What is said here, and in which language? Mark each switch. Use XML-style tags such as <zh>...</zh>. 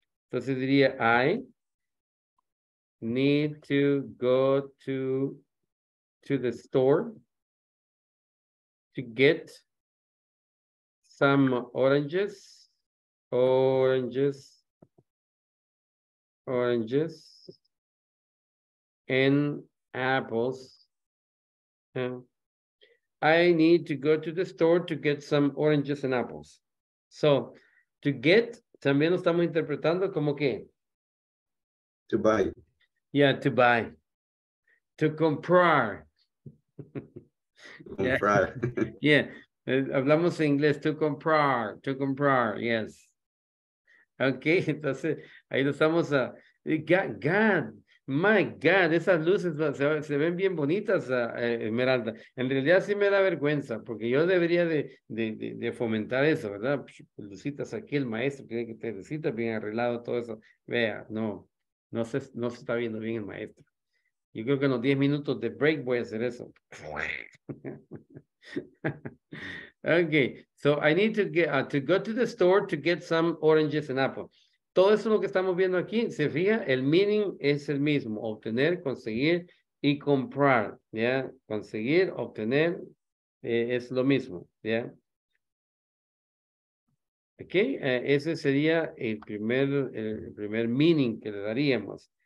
<es>Entonces diría,</es> <en>I need to go to the store to get some oranges and apples. I need to go to the store to get some oranges and apples.</en> <es>So, to get, también lo estamos interpretando como que?</es> <en>To buy. Yeah, to buy. To comprar.</en> <es>Comprar. Yeah. Yeah, hablamos en inglés, to comprar, yes. Okay, entonces, ahí lo estamos a, God. My God, esas luces se ven bien bonitas, Esmeralda. En realidad sí me da vergüenza, porque yo debería de fomentar eso, ¿verdad? Lucitas aquí, el maestro tiene que tener citas bien arreglado, todo eso. Vea, no se está viendo bien el maestro. Yo creo que en los 10 minutos de break voy a hacer eso.</es> <en>Okay, so I need to get to go to the store to get some oranges and apples.</en> <es>Todo eso lo que estamos viendo aquí, se fija, el meaning es el mismo, obtener, conseguir y comprar, ¿ya? Conseguir, obtener, es lo mismo, ¿ya? ¿Ok? Ese sería el primer meaning que le daríamos.</es>